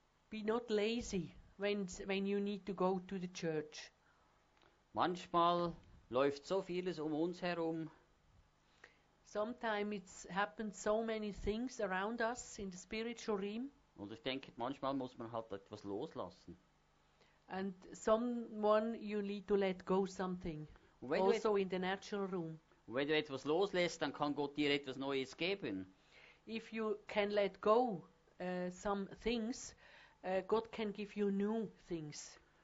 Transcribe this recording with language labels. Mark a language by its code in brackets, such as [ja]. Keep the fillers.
[en] Be not lazy when, when you need to go to the church. [de] Manchmal läuft so vieles um uns herum. [en] Sometimes it's happened so many things around us in the spiritual realm. [de] Und ich denke, manchmal muss man halt etwas loslassen. [en] And someone you need to let go something. also in the natural room. [de] Und wenn du etwas loslässt, [en] then God [de] Gott dir etwas Neues geben. [en] If you can let go uh, some things, uh, God can give you new things.